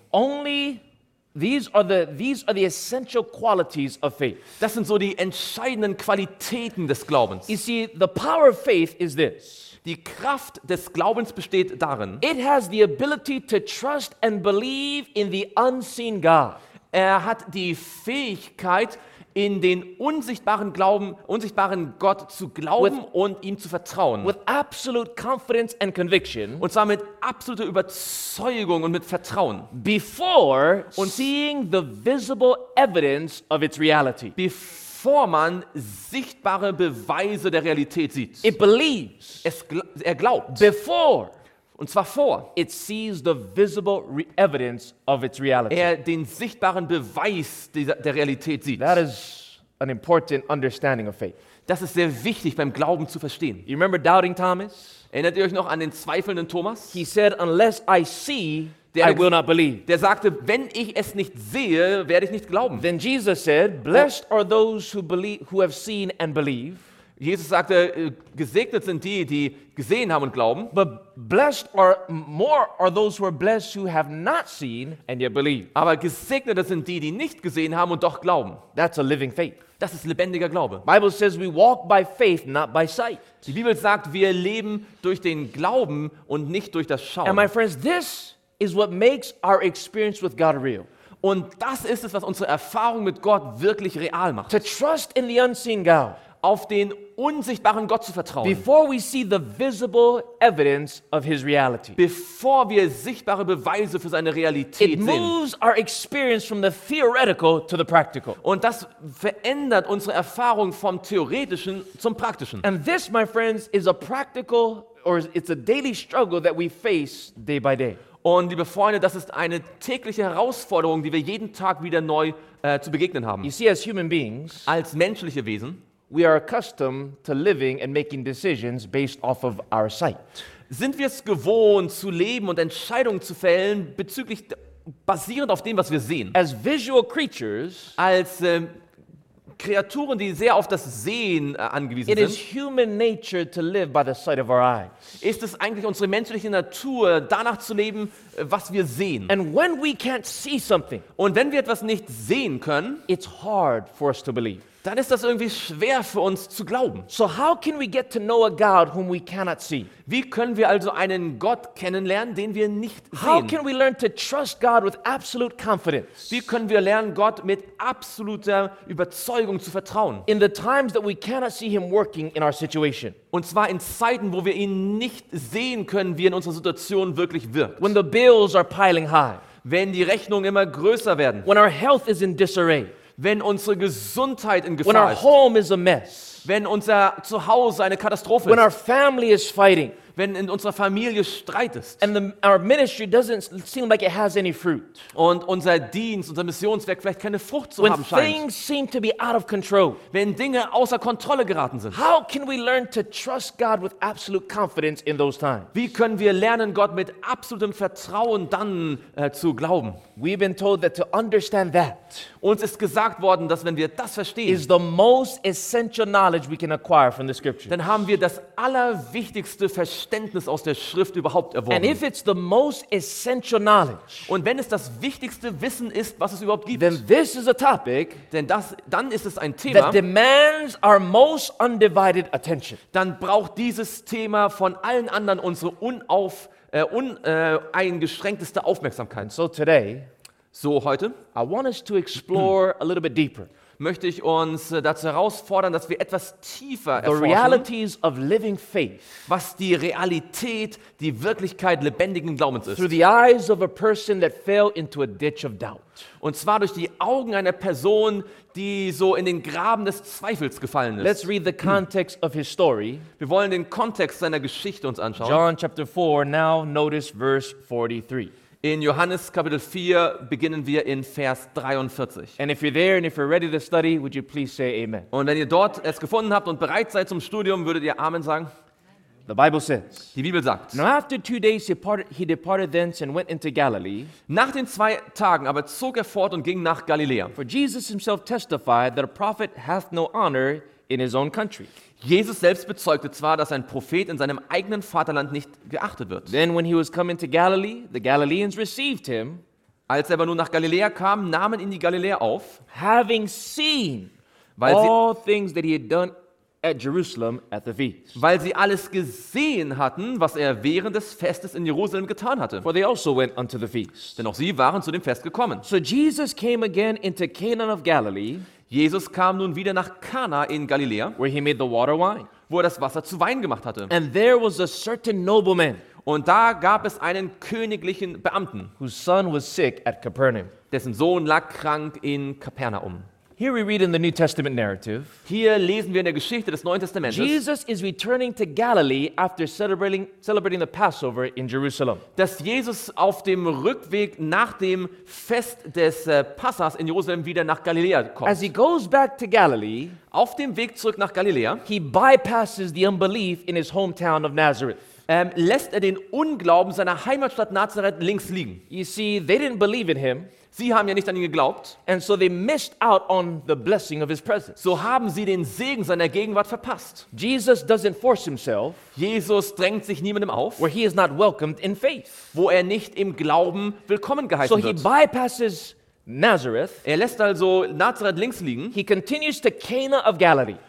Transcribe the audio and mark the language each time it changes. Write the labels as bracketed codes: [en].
[en] Only these are the essential qualities of faith. [de] Das sind so die entscheidenden Qualitäten des Glaubens. [en] You see, the power of faith is this. [de] Die Kraft des Glaubens besteht darin. [en] It has the ability to trust and believe in the unseen God. [de] Er hat die Fähigkeit, in den unsichtbaren Glauben, unsichtbaren Gott zu glauben und ihm zu vertrauen. [en] With absolute confidence and conviction. [de] Und zwar mit absoluter Überzeugung und mit Vertrauen. [en] Before und seeing the visible evidence of its reality. [de] Bevor man sichtbare Beweise der Realität sieht. [en] It believes. [de] Er glaubt. [en] Before. [de] Und zwar vor. [en] It sees the visible evidence of its reality. [de] Er den sichtbaren Beweis der Realität sieht. [en] That is an important understanding of faith. [de] Das ist sehr wichtig beim Glauben zu verstehen. [en] You remember doubting Thomas? [de] Erinnert ihr euch noch an den zweifelnden Thomas? [en] He said, unless I see, I will not believe. [de] Der sagte, wenn ich es nicht sehe, werde ich nicht glauben. [en] Then Jesus said, blessed are those who believe, who have seen and believe. [de] Jesus sagte, gesegnet sind die, die gesehen haben und glauben. [en] But blessed are more are those who are blessed who have not seen and yet believe. [de] Aber gesegnet sind die, die nicht gesehen haben und doch glauben. [en] That's a living faith. [de] Das ist lebendiger Glaube. [en] Bible says we walk by faith, not by sight. [de] Die Bibel sagt, wir leben durch den Glauben und nicht durch das Schauen. [en] And my friends, this is what makes our experience with God real. [de] Und das ist es, was unsere Erfahrung mit Gott wirklich real macht. [en] To trust in the unseen God. [de] Auf den unsichtbaren Gott zu vertrauen. [en] Before we see the visible evidence of his reality. [de] Bevor wir sichtbare Beweise für seine Realität sehen. [en] It moves our experience from the theoretical to the practical. [de] Und das verändert unsere Erfahrung vom Theoretischen zum Praktischen. [en] And this, my friends, is a practical or it's a daily struggle that we face day by day. [de] Und liebe Freunde, das ist eine tägliche Herausforderung, die wir jeden Tag wieder neu zu begegnen haben. [en] You see, as human beings, [de] als menschliche Wesen, [en] we are accustomed to living and making decisions based off of our sight. [de] Sind wir es gewohnt zu leben und Entscheidungen zu fällen bezüglich basierend auf dem, was wir sehen? [en] As visual creatures, [de] als Kreaturen, die sehr auf das Sehen angewiesen [en] it [de] sind. [en] It is human nature to live by the sight of our eyes. [de] Ist es eigentlich unsere menschliche Natur, danach zu leben, was wir sehen? [en] And when we can't see something, [de] und wenn wir etwas nicht sehen können, [en] it's hard for us to believe. [de] Dann ist das irgendwie schwer für uns zu glauben. [en] So how can we get to know a God whom we cannot see? [de] Wie können wir also einen Gott kennenlernen, den wir nicht sehen? [en] How can we learn to trust God with absolute confidence? [de] Wie können wir lernen, Gott mit absoluter Überzeugung zu vertrauen? [en] In the times that we cannot see him working in our situation. [de] Und zwar in Zeiten, wo wir ihn nicht sehen können, wie er in unserer Situation wirklich wirkt. [en] When the bills are piling high. [de] Wenn die Rechnungen immer größer werden. [en] When our health is in disarray. [de] Wenn unsere Gesundheit in Gefahr [en] when our [de] ist. [en] Home is a mess. [de] Wenn unser Zuhause eine Katastrophe [en] when [de] ist. [en] Our family is fighting. [de] Wenn in unserer Familie Streit ist. [en] And our ministry doesn't seem like it has any fruit. [de] Und unser Dienst, unser Missionswerk vielleicht keine Frucht zu [en] when [de] haben scheint. [en] Things seem to be out of control. [de] Wenn Dinge außer Kontrolle geraten sind. [en] How can we learn to trust God with absolute confidence in those times? [de] Wie können wir lernen, Gott mit absolutem Vertrauen dann zu glauben? [en] We've been told that to understand that. [de] Uns ist gesagt worden, dass wenn wir das verstehen, [en] is the most essential knowledge we can acquire from the scriptures. [de] Dann haben wir das allerwichtigste Verständnis aus der Schrift überhaupt erworben. [en] And if it's the most essential knowledge, [de] und wenn es das wichtigste Wissen ist, was es überhaupt gibt, [en] then this is a topic, [de] denn das, dann ist es ein Thema, [en] that demands our most undivided attention. [de] Dann braucht dieses Thema von allen anderen unsere uneingeschränkteste Aufmerksamkeit. [en] So today, [de] so heute, [en] I want us to explore a little bit deeper. [de] möchte ich uns dazu herausfordern, dass wir etwas tiefer erforschen. [en] The realities of living faith, [de] was die Realität, die Wirklichkeit lebendigen Glaubens ist. [en] Through the eyes of a person that fell into a ditch of doubt. [de] Und zwar durch die Augen einer Person, die so in den Graben des Zweifels gefallen ist. [en] Let's read the context of his story. [de] Wir wollen den Kontext seiner Geschichte uns anschauen. [en] John chapter 4, now notice verse 43. [de] In Johannes Kapitel 4 beginnen wir in Vers 43. [en] And if you're there and if you're ready to study, would you please say amen? [de] Und wenn ihr dort es gefunden habt und bereit seid zum Studium, würdet ihr Amen sagen? [en] The Bible says. [de] Die Bibel sagt. [en] Now after 2 days he departed thence and went into Galilee. [de] Nach den 2 Tagen aber zog er fort und ging nach Galiläa. [en] For Jesus himself testified that a prophet hath no honor in his own country. [de] Jesus selbst bezeugte zwar, dass ein Prophet in seinem eigenen Vaterland nicht geachtet wird. [en] Then when he was come into Galilee, the Galileans received him. [de] Als er aber nun nach Galiläa kam, nahmen ihn die Galiläer auf. [en] Having seen all things that he had done at Jerusalem at the feast. [de] Weil sie alles gesehen hatten, was er während des Festes in Jerusalem getan hatte. [en] For they also went unto the feast. [de] Denn auch sie waren zu dem Fest gekommen. [en] So Jesus came again into Canaan of Galilee. [de] Jesus kam nun wieder nach Kana in Galiläa, [en] where he made the water wine, [de] wo er das Wasser zu Wein gemacht hatte. [en] And there was a certain nobleman, [de] und da gab es einen königlichen Beamten, [en] whose son was sick at Capernaum, [de] dessen Sohn lag krank in Kapernaum. [en] Here we read in the New Testament narrative. [de] Hier lesen wir in der Geschichte des Neuen Testamentes. [en] Jesus is returning to Galilee after celebrating the Passover in Jerusalem. [de] Dass Jesus auf dem Rückweg nach dem Fest des Passas in Jerusalem wieder nach Galiläa kommt. [en] As he goes back to Galilee, [de] auf dem Weg zurück nach Galiläa, [en] he bypasses the unbelief in his hometown of Nazareth. [de] Lässt er den Unglauben seiner Heimatstadt Nazareth links liegen. [en] You see, they didn't believe in him. [de] Sie haben ja nicht an ihn geglaubt. [en] And so they missed out on the blessing of his presence. [de] So haben sie den Segen seiner Gegenwart verpasst. [en] Jesus doesn't force himself. [de] Jesus drängt sich niemandem auf. [en] Where he is not welcomed in faith. [de] Wo er nicht im Glauben willkommen geheißen [en] so [de] wird. [en] So he bypasses Nazareth. [de] Er lässt also Nazareth links liegen. [en] He continues to Cana of Galilee.